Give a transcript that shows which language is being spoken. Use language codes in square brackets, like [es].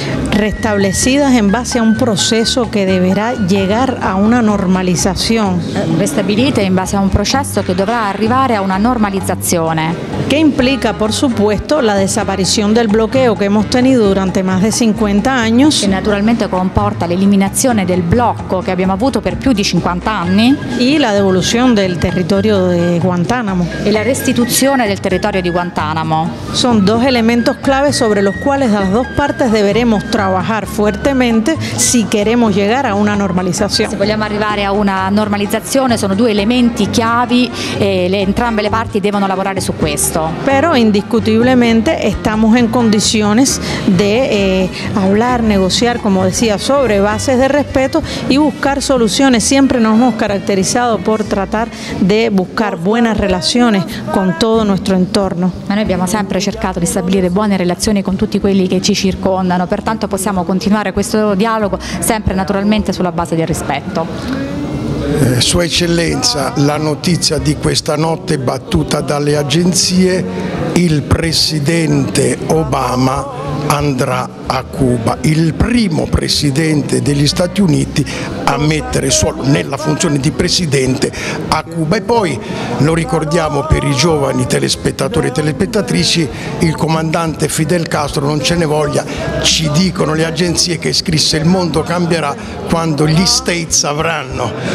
[es] Restablecidas en base a un proceso que deberá llegar a una normalización. [it] Restabilite in base a un processo che dovrà arrivare a una normalizzazione. [es] Que implica, por supuesto, la desaparición del bloqueo que hemos tenido durante más de 50 años. [it] Que naturalmente comporta l'eliminazione del blocco che abbiamo avuto per più di 50 anni. [es] Y la devolución del territorio de Guantánamo. [it] E la restituzione del territorio di Guantánamo. [es] Son dos elementos clave sobre los cuales las dos partes deberemos trabajar fuertemente si queremos llegar a una normalización. [it] Se vogliamo arrivare a una normalizzazione, sono due elementi chiavi e entrambe le parti devono lavorare su questo. Però indiscutibilmente [es] estamos en condiciones de hablar, negociar, como decía, sobre bases de respeto y buscar soluciones. Siempre nos hemos caracterizado por tratar de buscar buenas relaciones con todo nuestro entorno. [it] Ma noi abbiamo sempre cercato di stabilire buone relazioni con tutti quelli che ci circondano, pertanto possiamo continuare questo dialogo sempre naturalmente sulla base del rispetto. Sua Eccellenza, la notizia di questa notte battuta dalle agenzie, il Presidente Obama andrà a Cuba, il primo Presidente degli Stati Uniti a mettere suolo nella funzione di Presidente a Cuba. E poi, lo ricordiamo per i giovani telespettatori e telespettatrici, il comandante Fidel Castro, non ce ne voglia, ci dicono le agenzie che scrisse: il mondo cambierà quando gli States avranno